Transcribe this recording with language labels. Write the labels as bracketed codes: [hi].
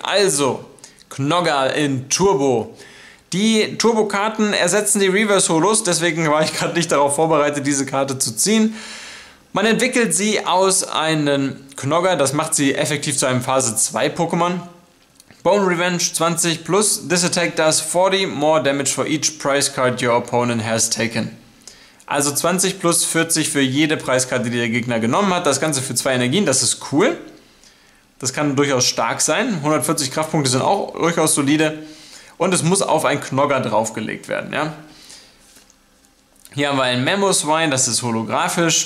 [de] Also, Knoggerl in Turbo. Die Turbo-Karten ersetzen die Reverse-Holos. Deswegen war ich gerade nicht darauf vorbereitet, diese Karte zu ziehen. Man entwickelt sie aus einem Knogger. Das macht sie effektiv zu einem Phase-2-Pokémon. Bone Revenge 20 plus. [en] This attack does 40 more damage for each prize card your opponent has taken. [de] Also 20 plus 40 für jede Preiskarte, die der Gegner genommen hat. Das Ganze für 2 Energien, das ist cool. Das kann durchaus stark sein. 140 Kraftpunkte sind auch durchaus solide. Und es muss auf einen Knogger draufgelegt werden. Ja? Hier haben wir ein Mamoswine, das ist holographisch.